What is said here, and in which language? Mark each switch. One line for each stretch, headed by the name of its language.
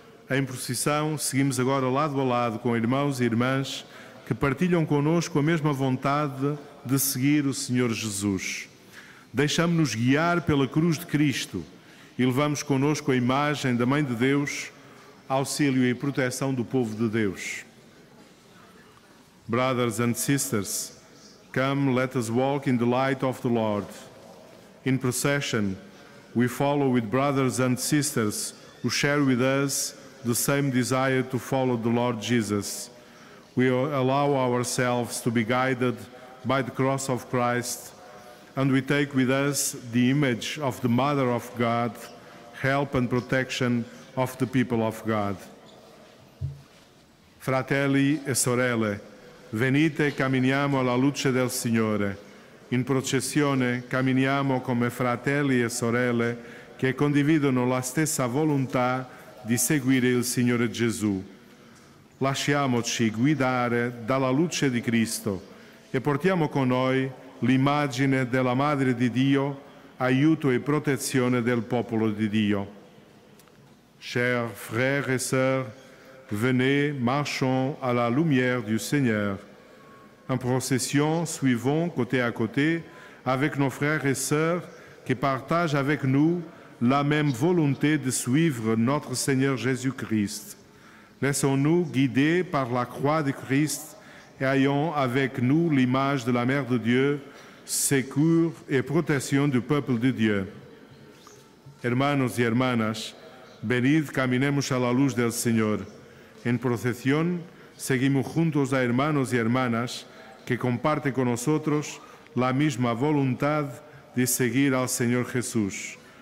Portuguese: Em procissão, seguimos agora lado a lado com irmãos e irmãs que partilham connosco a mesma vontade de seguir o Senhor Jesus. Deixamo-nos guiar pela cruz de Cristo e levamos connosco a imagem da Mãe de Deus, auxílio e proteção do povo de Deus.
English: Brothers and sisters, come, let us walk in the light of the Lord. In procession, we follow with brothers and sisters who share with us the same desire to follow the Lord Jesus. We allow ourselves to be guided by the cross of Christ, and we take with us the image of the Mother of God, help and protection of the people of God.
Italian: Fratelli e sorelle, venite e camminiamo alla luce del Signore. In processione camminiamo come fratelli e sorelle che condividono la stessa volontà di seguire il Signore Gesù. Lasciamoci guidare dalla luce di Cristo e portiamo con noi l'immagine della Madre di Dio, aiuto e protezione del popolo di Dio.
French: Chers frères et sœurs, venez, marchons à la lumière du Seigneur. En procession, suivons côté à côté avec nos frères et sœurs qui partagent avec nous la même volonté de suivre notre Seigneur Jésus-Christ. Laissons-nous guider par la croix de Christ et ayons avec nous l'image de la Mère de Dieu, secours et protection du peuple de Dieu.
Spanish: Hermanos y hermanas, venid, caminemos a la luz del Señor. En procesión, seguimos juntos a hermanos y hermanas que comparten con nosotros la misma voluntad de seguir al Señor Jesús.